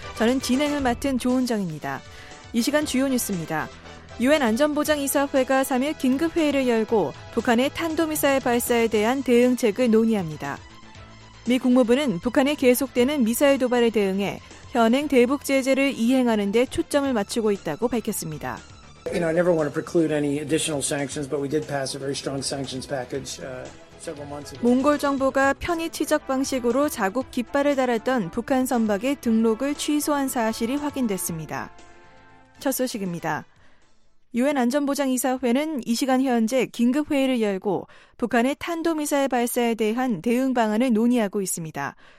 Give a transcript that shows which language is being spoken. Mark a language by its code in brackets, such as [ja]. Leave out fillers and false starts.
[ko] 저는 진행을 맡은 조은정입니다. 이 시간 주요 뉴스입니다. 유엔 안전보장이사회가 3일 긴급회의를 열고 북한의 탄도미사일 발사에 대한 대응책을 논의합니다. 미 국무부는 북한의 계속되는 미사일 도발에 대응해 현행 대북 제재를 이행하는 데 초점을 맞추고 있다고 밝혔습니다. [en] You know, I never want to preclude any additional sanctions, but we did pass a very strong sanctions package several months ago. [ko] 몽골 정부가 편의 취적 방식으로 자국 깃발을 달았던 북한 선박의 등록을 취소한 사실이 확인됐습니다. 첫 소식입니다. 유엔 안전보장이사회는 이 시간 현재 긴급회의를 열고 북한의 탄도미사일 발사에 대한 대응 방안을 논의하고 있습니다.